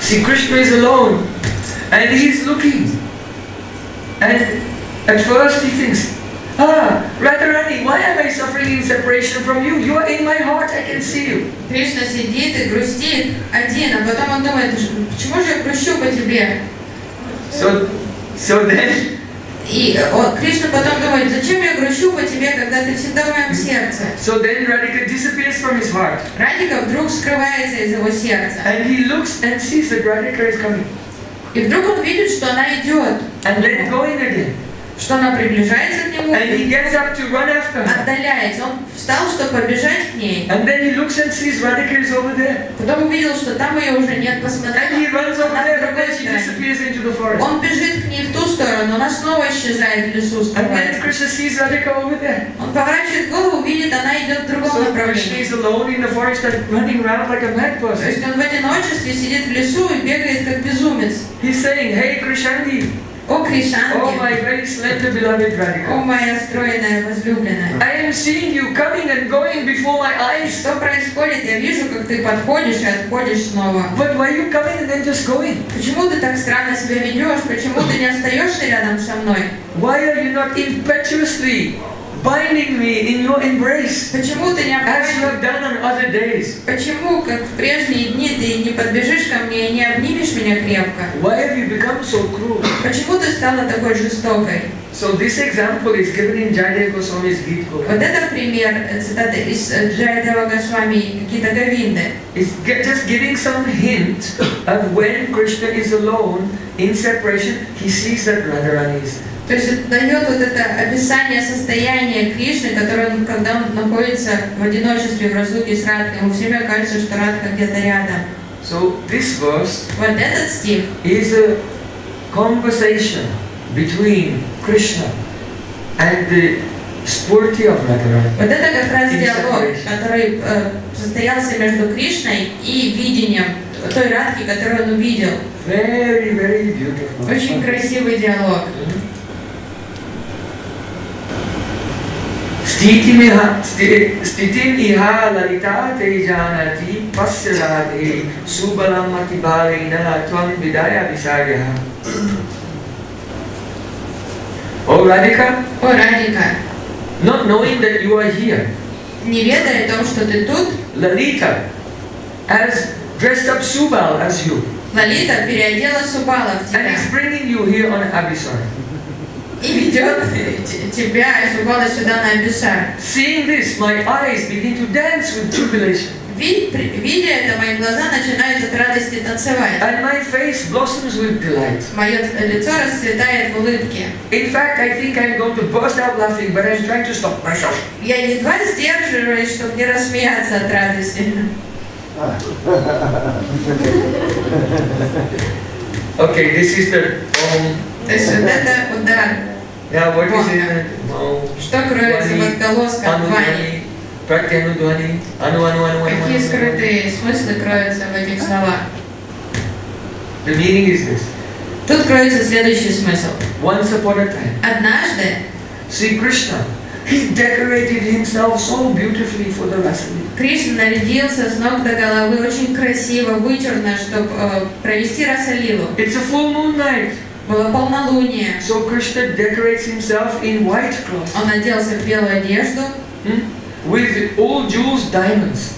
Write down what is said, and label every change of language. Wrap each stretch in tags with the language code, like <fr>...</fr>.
<en>See, Krishna is alone and he is looking. And at first he thinks, ah, Radharani, why am I suffering in separation from you? You are in my heart, I can see you.</en> <ru>Krishna сидит и грустит один, а потом он думает, почему же я грущу по тебе?</ru> <en>So then...</en> <ru>И Кришна потом думает, зачем я грущу по тебе, когда ты всегда в моем сердце?</ru> <en>So then Radhika disappears from his heart.</en> <ru>Радика вдруг скрывается из его сердца.</ru> <en>And he looks and sees that Radhika is coming.</en> <ru>И вдруг он видит, что она идет.</ru> <en>And then going again.</en> <ru>Что она приближается к нему.</ru> <en>And he gets up to run after her.</en> <ru>Отдаляется. Он встал, чтобы побежать к ней.</ru> <en>And then he looks and sees Radhika is over there.</en> <ru>Потом увидел, что там ее уже нет. Посмотрел.</ru> <en>And he runs over there, but then she disappears into the forest.</en> <ru>Он бежит к ней в ту сторону, она снова исчезает в лесу.</ru> <en>And then Krishna sees Radhika over there.</en> <ru>Он поворачивает голову, видит, она идет в другом направлении.</ru> <en>So Krishna is alone in the forest and running around like a mad person.</en> <ru>То есть он в одиночестве сидит в лесу и бегает как безумец.</ru> <en>He's saying, hey, Krishandi.</en> <ru>О, Кришанди!</ru> <en>О, my very slender beloved Radhika!</en> <ru>О, моя стройная возлюбленная!</ru> <en>I am seeing you coming and going before my eyes.</en> <ru>Что происходит? Я вижу, как ты подходишь и отходишь снова.</ru> <en>But why are you coming and then just going?</en> <ru>Почему ты так странно себя ведешь? Почему ты не остаешься рядом со мной?</ru> <en>Why are you not impetuously binding me in your embrace?</en> <ru>Почему ты не обнимаешь?</ru> <en>As you have done on other days.</en> <ru>Почему, как в прежние дни, ты не подбежишь ко мне и не обнимешь меня крепко?</ru> <en>Why have you become so cruel?</en> <ru>Почему ты стала такой жестокой?</ru> <en>So this example is given in Jayadeva Goswami's Gita.</en> <ru>Вот это пример цитаты из Джайдева Госвами Гита Говинды.</ru> <en>It's just giving some hint of when Krishna is alone in separation, he sees that Radharani is.</en> <ru>То есть это дает вот это описание состояния Кришны, которое он, когда он находится в одиночестве, в разлуке с Радхой, ему все время кажется, что Радха где-то рядом.</ru> <en>So this verse,</en> <ru>вот этот стих,</ru> <en>is a conversation between Krishna and the spurti of Radharani.</en> <ru>Вот это как раз диалог, который состоялся между Кришной и видением той Радхи, которую он увидел.</ru> <en>Very, very beautiful.</en> <ru>Очень красивый диалог.</ru> <sa>Sthiti niha lalita te janati pasya radhe subalam mati balina tvam vidaya visaryaha.</sa> <en>O Radhika, O Radhika, not knowing that you are here,</en> <ru>не ведая о том, что ты тут,</ru> <en>Lalita, as dressed up Subal as you,</en> <ru>Lalita переодела Субала в тебя,</ru> <en>and is bringing you here on Abhisara.</en> <ru>И ведет тебя и Субала сюда на Абисар.</ru> <en>Seeing this, my eyes begin to dance with jubilation.</en> <ru>Видя это, мои глаза начинают от радости танцевать.</ru> <en>And my face blossoms with delight.</en> <ru>Мое лицо расцветает в улыбке.</ru> <en>In fact, I think I'm going to burst out laughing, but I'm trying to stop myself.</en> <ru>Я едва сдерживаюсь, чтобы не рассмеяться от радости.</ru> <en>Okay, this is the</en> <ru>это удар. Что кроется в отголоске от вани? Какие скрытые смыслы кроются в этих словах?</ru> <en>The meaning is this.</en> <ru>Тут кроется следующий смысл.</ru> <en>Once upon a time.</en> <ru>Однажды.</ru> <en>See Krishna. He decorated himself so beautifully for the Vasudeva.</en> <ru>Кришна нарядился с ног до головы очень красиво, вычурно, чтобы провести Расалилу.</ru> <en>It's a full moon night.</en> <ru>Было полнолуние.</ru> <en>So Krishna decorates himself in white cloth.</en> <ru>Он оделся в белую одежду. Hmm?</ru> <en>With all jewels, diamonds.</en>